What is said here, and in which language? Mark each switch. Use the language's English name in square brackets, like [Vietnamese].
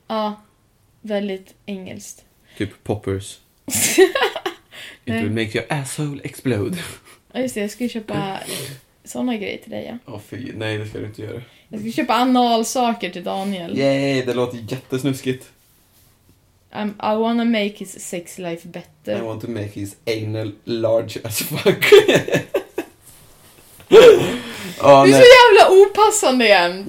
[Swedish] Ja, väldigt engelskt. Typ [English] poppers. It will make your asshole explode. [Swedish] Ja just det, jag ska köpa såna grejer till dig. Ja. Oh, fy, nej det ska du inte göra. Jag ska köpa analsaker till Daniel. Yay, det låter jättesnuskigt. [English] I wanna make his sex life better. I want to make his anal large as fuck. [Swedish] Oh, du är så jävla opassande igen.